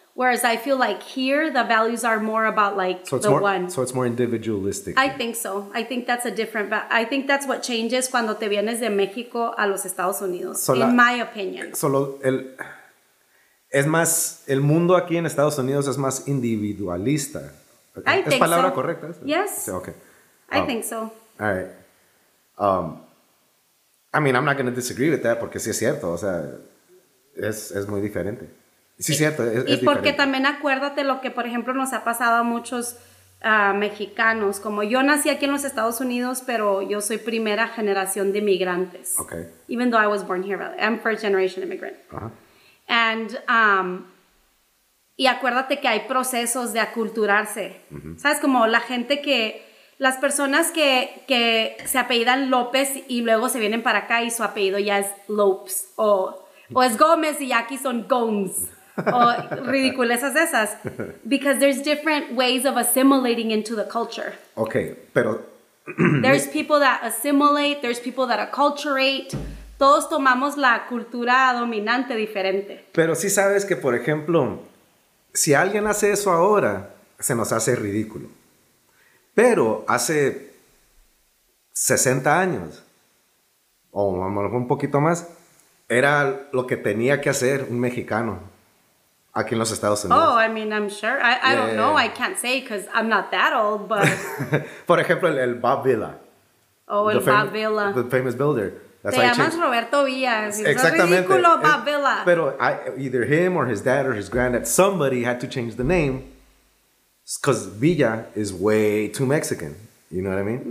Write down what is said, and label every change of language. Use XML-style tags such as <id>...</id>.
<en>Whereas I feel like here, the values are more about one. So it's more individualistic. I think so. I think that's a different, but I think that's what changes</en> <es>cuando te vienes de México a los Estados Unidos,</es> <en>in my opinion.</en> <es>Es más, el mundo aquí en Estados Unidos es más individualista.</es> <en>Okay.</en> <es>¿Es palabra</es> <en>so.</en> <es>Correcta?</es> <en>Yes.</en> <es>Sí, okay.</es> <en>I think so. All right. I mean, I'm not going to disagree with that,</en> <es>porque sí es cierto, o sea, es muy diferente. Sí, cierto, es diferente. Y porque también acuérdate lo que, por ejemplo, nos ha pasado a muchos mexicanos. Como yo nací aquí en los Estados Unidos, pero yo soy primera generación de inmigrantes.</es> <en>Okay. Even though I was born here, really. I'm first generation immigrant. Ajá. Uh-huh.</en> <es>Y acuérdate que hay procesos de aculturarse. Mm-hmm. ¿Sabes? Como la gente que... Las personas que se apellidan López y luego se vienen para acá y su apellido ya es Lopes. O es Gómez y aquí son Gomes. O ridiculezas esas.</es> <en>Because there's different ways of assimilating into the culture.</en> <es>Okay, pero...</es> <en>There's people that assimilate, there's people that acculturate...</en> <es>Todos tomamos la cultura dominante diferente. Pero sí sabes que, por ejemplo, si alguien hace eso ahora, se nos hace ridículo. Pero hace 60 años, o a lo mejor un poquito más, era lo que tenía que hacer un mexicano aquí en los Estados Unidos.</es> <en>Oh, I mean, I'm sure. I don't know. I can't say because I'm not that old, but...</en> <es>Por ejemplo, el Bob Villa. Oh, el Bob Villa.</es> <en>The famous builder.</en> <es>That's te llamas Roberto Villas. Exactamente. Es ridículo, Bob Villa.</es> <en>Pero either him or his dad or his granddad, somebody had to change the name because Villa is way too Mexican. You know what I mean?</en>